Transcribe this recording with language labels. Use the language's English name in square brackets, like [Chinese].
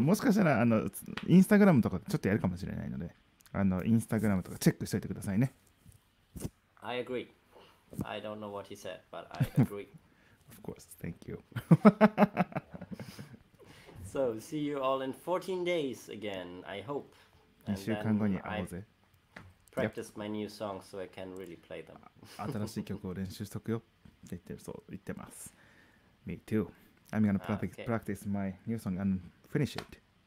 [Japanese] もしかしたらインスタグラムとかちょっとやるかもしれないのでインスタグラムとかチェックしておいてくださいね。 [English] I agree. I don't know what he said, but I agree. Of course, thank you. So, see you all in 14 days again, I hope. [Japanese] And 2週間後に会おうぜ。 [English] Practice my new songs so I can really play them. [Japanese] 新しい曲を練習しとくよって言ってる、そう言ってます。 [English] Me too. I'm gonna practice my new song and finish it.